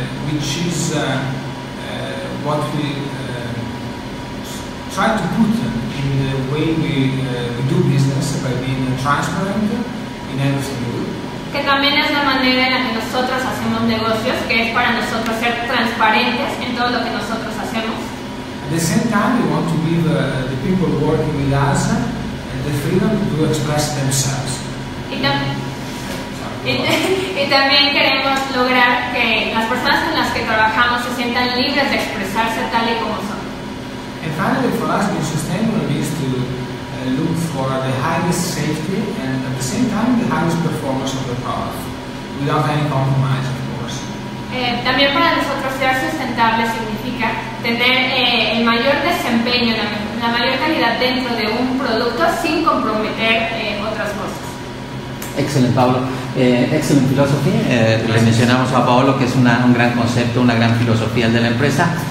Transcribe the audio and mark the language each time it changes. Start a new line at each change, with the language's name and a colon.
English: Which is what we try to put in the way we do business by being transparent in everything we do.
Spanish: Que también es la manera en la que nosotros hacemos negocios, que es para nosotros ser transparentes en todo lo que nosotros hacemos.
English: the same time we want to give the people working with us the freedom to express themselves.
Spanish: Y también queremos lograr que las personas con las que trabajamos se sientan libres de expresarse tal y como son.
English: And finally, for us, being sustainable means to look for the highest safety and at the same time the highest performance of the product, without any compromise, of course.
Spanish: También para nosotros ser sustentable significa tener el mayor desempeño, la mayor calidad dentro de un producto sin comprometer otras cosas. Excelente, Pablo. Excelente filosofía. Le mencionamos a Paolo que es un gran concepto, una gran filosofía el de la empresa.